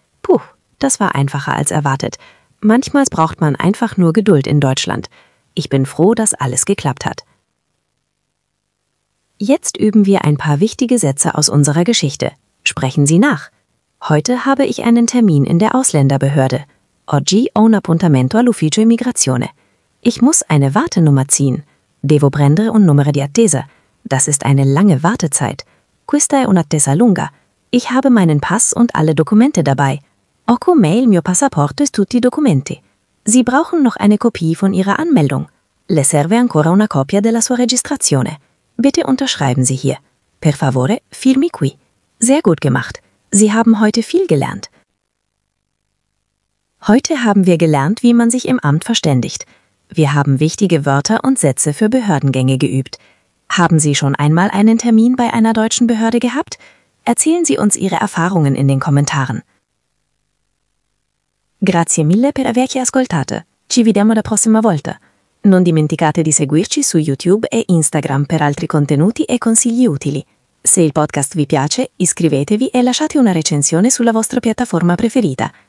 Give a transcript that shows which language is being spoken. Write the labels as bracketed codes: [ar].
[de] Puh, das war einfacher als erwartet. Manchmal braucht man einfach nur Geduld in Deutschland. Ich bin froh, dass alles geklappt hat. Jetzt üben wir ein paar wichtige Sätze aus unserer Geschichte. Sprechen Sie nach. Heute habe ich einen Termin in der Ausländerbehörde. [it] Oggi ho un appuntamento all'ufficio immigrazione. [de] Ich muss eine Wartenummer ziehen. [it] Devo prendere un numero di attesa. [de] Das ist eine lange Wartezeit. [it] Questa è un'attesa lunga. [de] Ich habe meinen Pass und alle Dokumente dabei. [it] Ho con il mio passaporto e tutti i documenti. [de] Sie brauchen noch eine Kopie von Ihrer Anmeldung. [it] Le serve ancora una copia della sua registrazione. [de] Bitte unterschreiben Sie hier. [it] Per favore, firmi qui. [de] Sehr gut gemacht. Sie haben heute viel gelernt. Heute haben wir gelernt, wie man sich im Amt verständigt. Wir haben wichtige Wörter und Sätze für Behördengänge geübt. Haben Sie schon einmal einen Termin bei einer deutschen Behörde gehabt? Erzählen Sie uns Ihre Erfahrungen in den Kommentaren. [it] Grazie mille per averci ascoltato. Ci vediamo la prossima volta. Non dimenticate di seguirci su YouTube e Instagram per altri contenuti e consigli utili. Se il podcast vi piace, iscrivetevi e lasciate una recensione sulla vostra piattaforma preferita.